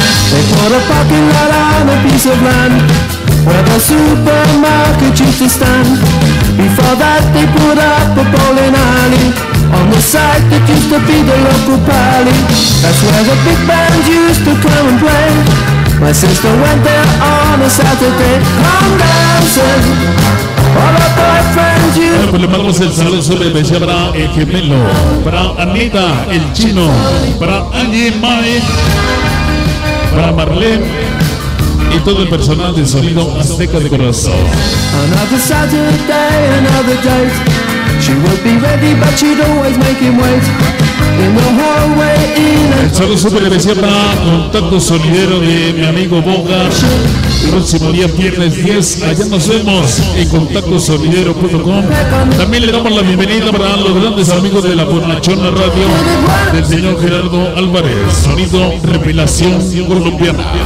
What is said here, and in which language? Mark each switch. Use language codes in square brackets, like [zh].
[en] They put a parking lot on a piece of land where the supermarket used to stand. Before that they put up a bowling alley on the site that used to be the local pally. That's where the big band used to come and play. My sister went there on a Saturday. I'm dancing. [es] Bueno, pues le mandamos el saludo sobre especial para el gemelo, para Anita, el chino, para Angie Mae, para Marlene y todo el personal de sonido Azteca de corazón. [en] Another Saturday, another date. She would be ready, but she'd always make him wait. In the hallway, in [es] el saludo super especial para contacto sonidero de mi amigo Boga. Próximo día viernes 10, allá nos vemos en contactosonidero.com. También le damos la bienvenida para los grandes amigos de la Bonachona Radio, del señor Gerardo Álvarez, sonido Revelación Colombiana.